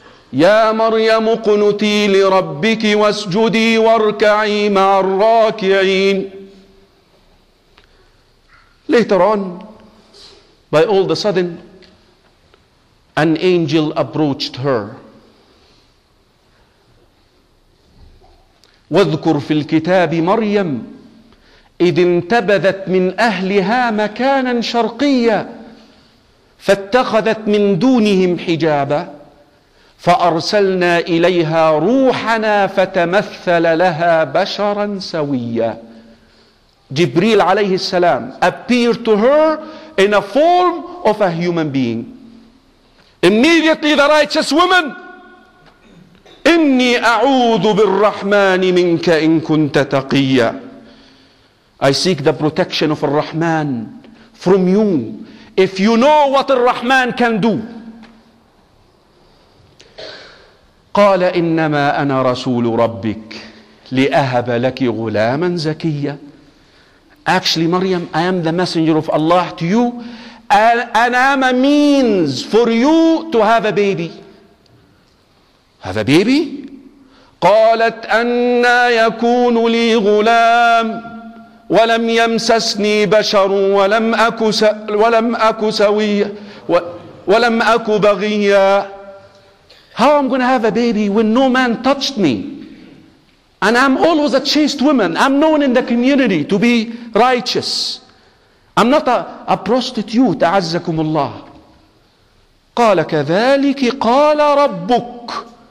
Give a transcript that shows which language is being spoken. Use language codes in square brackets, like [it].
[ar] Ya Maryam, qunuti li rabbiki wasjudi warka'i ma'ar raki'in. [en] Later on, by all the sudden, an angel approached her. [ar] واذكر في الكتاب مريم إذ انتبذت من أهلها مكانا شرقيا فاتخذت من دونهم حجابا فأرسلنا إليها روحنا فتمثل لها بشرا سويا. [en] جبريل عليه السلام appeared to her in a form of a human being. Immediately the righteous woman, [ar] إني أعوذ بالرحمن منك إن كنت تقيا. [en] I seek the protection of Ar-Rahman from you if you know what Ar-Rahman can do. [ar] قال إنما أنا رسول ربك لأهب لك غلاما زكيا. [en] Actually, Maryam, I am the messenger of Allah to you, and I'm a means for you to have a baby. Have a baby? [ar] قالت أنى يكون لي غلام ولم يمسسني بشر ولم أك سويا ولم أك بغيا. [en] How am I going to have a baby when no man touched me? And I'm always a chaste woman. I'm known in the community to be righteous. I'm not a prostitute, [ar] أعزكم الله. قال كذلك قال ربك.